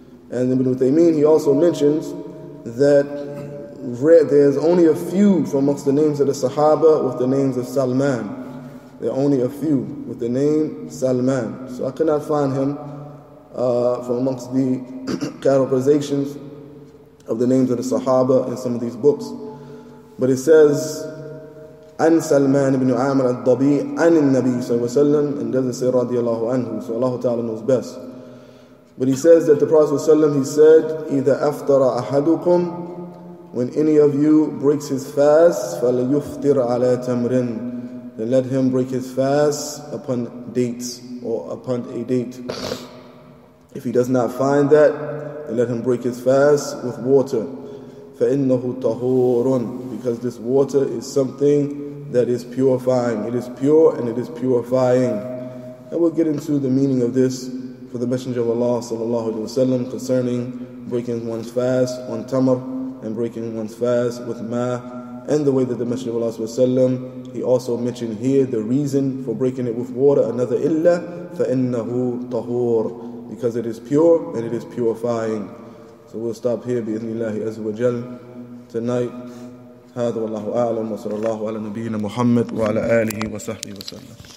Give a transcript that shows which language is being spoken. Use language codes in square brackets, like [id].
[en] And Ibn Uthaymeen, he also mentions that there's only a few from amongst the names of the Sahaba with the names of Salman. There are only a few with the name Salman. So I cannot find him from amongst the characterizations of the names of the Sahaba in some of these books. But it says, [ar] عن سلمان بن عامر الضبي عن النبي صلى الله عليه وسلم, [en] and doesn't say [ar] رضي الله عنه, [en] so Allah Ta'ala knows best. But he says that the Prophet ﷺ, he said, [ar] إذا أفطر أحدكم, [en] when any of you breaks his fast, [ar] فليفطر على تمرين, [en] then let him break his fast upon dates, or upon a date. If he does not find that, then let him break his fast with water. [ar] فَإِنَّهُ طَهُورٌ, [en] because this water is something that is purifying. It is pure and it is purifying. And we'll get into the meaning of this for the Messenger of Allah sallallahu alayhi wa sallam concerning breaking one's fast on tamar and breaking one's fast with ma, and the way that the Messenger of Allah sallallahu alayhi wa sallam, he also mentioned here the reason for breaking it with water, another illa, [ar] فَإِنَّهُ طَهُورٌ, [en] because it is pure and it is purifying. So we'll stop here [ar] بإذن الله عز وجل [en] tonight. [ar] هذا والله أعلم, وصلى الله على نبينا محمد وعلى آله وصحبه وسلم.